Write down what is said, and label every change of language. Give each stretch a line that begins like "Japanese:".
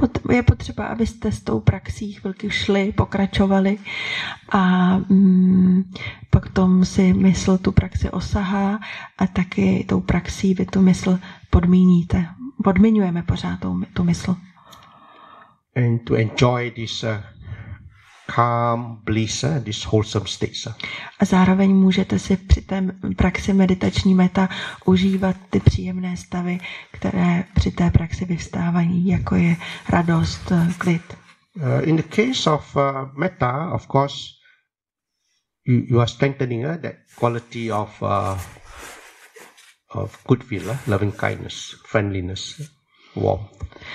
Czech: Je potřeba, abyste s tou praxí chvilky šli, pokračovali a potom si mysl tu praxi osahá a taky tou praxí vy tu mysl podmíníte. Podmiňujeme pořád tu mysl.
English: And to enjoy this calm bliss, this wholesome state.
Czech: A zároveň můžete si při té praxi meditační meta užívat ty příjemné stavy, které při té praxi vyvstávají, jako je radost, klid.
English: In the case of meta, of course, you are strengthening that quality of good will, loving kindness, friendliness, warmth.